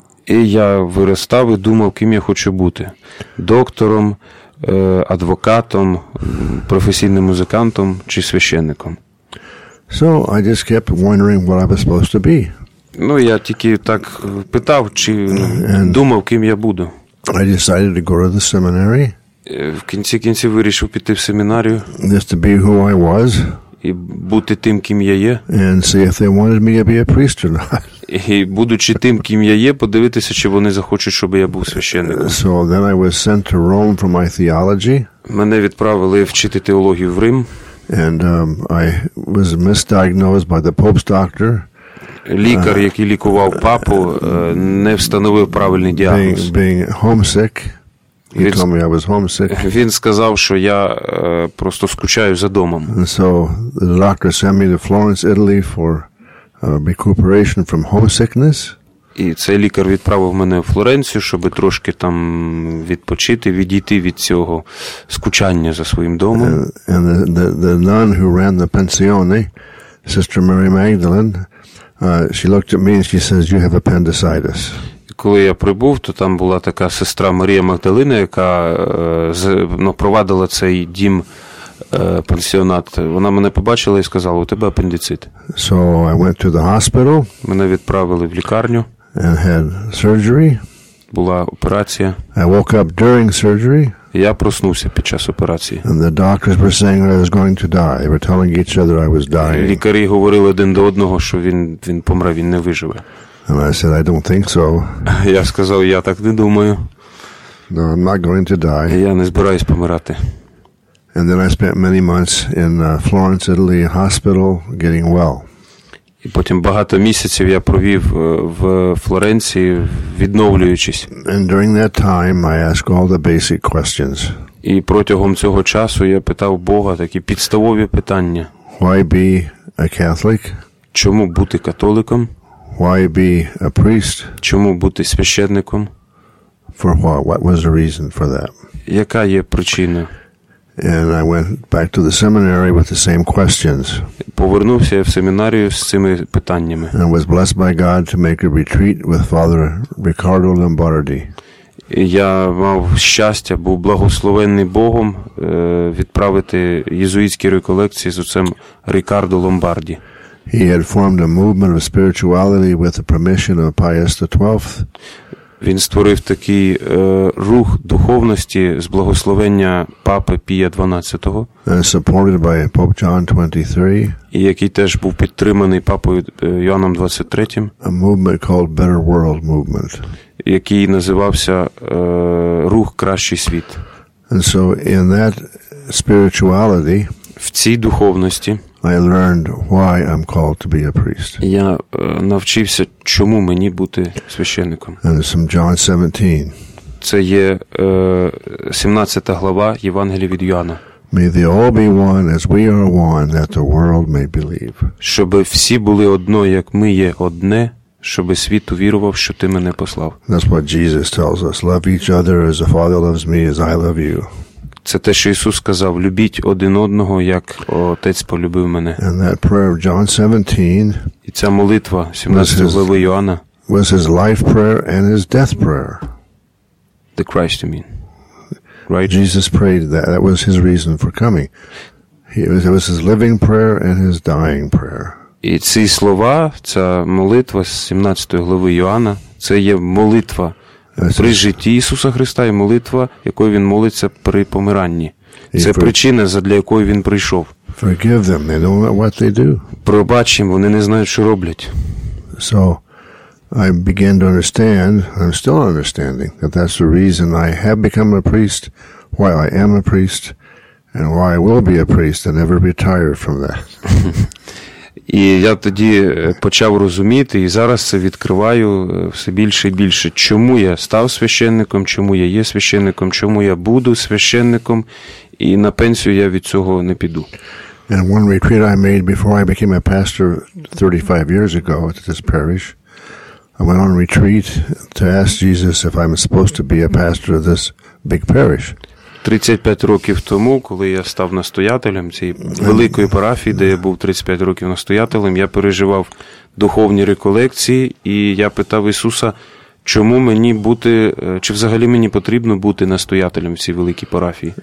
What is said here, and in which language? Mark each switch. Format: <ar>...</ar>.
<uk>І я виростав і думав, ким я хочу бути: доктором, адвокатом, професійним музикантом чи священником.</uk> <en>So I just kept wondering what I was supposed to be.</en> <uk>Ну, я тільки так питав, чи думав, ким я буду.</uk> <en>I decided to go to the seminary.</en> <uk>В кінці кінців вирішив піти в семінарію.</uk> <en>Just to be who I was.</en> <uk>І бути тим, ким я є.</uk> <en>And see if they wanted me to be a priest or not.</en> <uk>І, будучи тим, ким я є, подивитися, чи вони захочуть, щоб я був священником.</uk> <en>So then I was sent to Rome for my theology.</en> <uk>Мене відправили вчити теологію в Рим.</uk> <en>And I was misdiagnosed by the Pope's doctor.</en> <uk>Лікар, який лікував папу, не встановив правильний діагноз.</uk> <en>Being homesick. He told me I was homesick.</en> <uk>Він сказав, що я просто скучаю за домом.</uk> <en>And so the doctor sent me to Florence, Italy for recuperation from homesickness.</en> <uk>І цей лікар відправив мене в Флоренцію, щоб трошки там відпочити, відійти від цього скучання за своїм домом.</uk> <en>And the nun who ran the pensione, Sister Mary Magdalene, she looked at me and she says, "You have appendicitis."</en> <uk>Коли я прибув, то там була така сестра Марія Магдалина, яка провадила цей дім, пансіонат. Вона мене побачила і сказала: "У тебе апендицит."</uk> <en>So I went to the hospital.</en> <uk>Мене відправили в лікарню.</uk> <en>And had surgery.</en> <uk>Була операція.</uk> <en>I woke up during surgery.</en> <uk>Я проснувся під час операції.</uk> <en>And the doctors were saying that I was going to die. They were telling each other I was dying.</en> <uk>Лікарі говорили один до одного, що він помре, він не виживе.</uk> <en>And I said, I don't think so.</en> <uk>Я сказав, я так не думаю.</uk> <en>No, I'm not going to die.</en> <uk>Я не збираюсь помирати.</uk> <en>And then I spent many months in Florence, Italy hospital getting well.</en> <uk>І потім багато місяців я провів в Флоренції, відновлюючись.</uk> <en>And during that time I asked all the basic questions.</en> <uk>І протягом цього часу я питав Бога такі підставові питання.</uk> <en>Why be a Catholic?</en> <uk>Чому бути католиком?</uk> <en>Why be a priest?</en> <uk>Чому бути священником?</uk> <en>For what was the reason for that?</en> <uk>Яка є причина?</uk> <en>And I went back to the seminary with the same questions.</en> <uk>Повернувся я в семінарію з цими питаннями.</uk> <en>And I was blessed by God to make a retreat with Father Riccardo Lombardi.</en> <uk>Я мав щастя, був благословений Богом відправити єзуїтські реколекції з отцем Рікардо Ломбарді.</uk> <en>He had formed a movement of spirituality with the permission of Pius XII.</en> <uk>Він створив такий рух духовності з благословення Папи Пія XII.</uk> <en>And supported by Pope John XXIII.</en> <uk>Який теж був підтриманий Папою Йоанном XXIII.</uk> <en>A movement called Better World Movement.</en> <uk>Який називався рух «Кращий світ».</uk> <en>And so in that spirituality,</en> <uk>в цій духовності,</uk> <en>I learned why I'm called to be a priest.</en> <uk>Я навчився, чому мені бути священником.</uk> <en>And it's from John 17.</en> <uk>Це є 17 глава Євангелія від Йоанна.</uk> <en>May they all be one as we are one, that the world may believe.</en> <uk>Щоб всі були одно, як ми є одне, щоб світ увірував, що ти мене послав.</uk> <en>That's what Jesus tells us. Love each other as the Father loves me, as I love you.</en> <uk>Це те, що Ісус сказав: «Любіть один одного, як Отець полюбив мене».</uk> <en>And that prayer of John 17,</en> <uk>і ця молитва 17 глави Йоанна,</uk> <en>was his life prayer and his death prayer. The Christ, you mean. Right? Jesus prayed that. That was his reason for coming. It was his living prayer and his dying prayer.</en> <uk>І ці слова, ця молитва з 17 глави Йоанна, це є молитва при житті Ісуса Христа і молитва, якою Він молиться при помиранні. Це причина, задля якої Він прийшов.</uk> <en>Forgive them, they don't know what they do.</en> <uk>Пробач їм, вони не знають, що роблять.</uk> <en>So, I began to understand, I'm still understanding, that that's the reason I have become a priest, why I am a priest, and why I will be a priest and never retire from that.</en> <uk>І я тоді почав розуміти, і зараз це відкриваю все більше і більше, чому я став священником, чому я є священником, чому я буду священником, і на пенсію я від цього не піду.</uk> <en>And one retreat I made before I became a pastor 35 years ago at this parish, I went on retreat to ask Jesus if I'm supposed to be a pastor of this big parish.</en> <uk>35 років тому, коли я став настоятелем цієї великої парафії, де я був 35 років настоятелем, я переживав духовні реколекції, і я питав Ісуса, чому мені бути, чи взагалі мені потрібно бути настоятелем в цій великій парафії.</uk>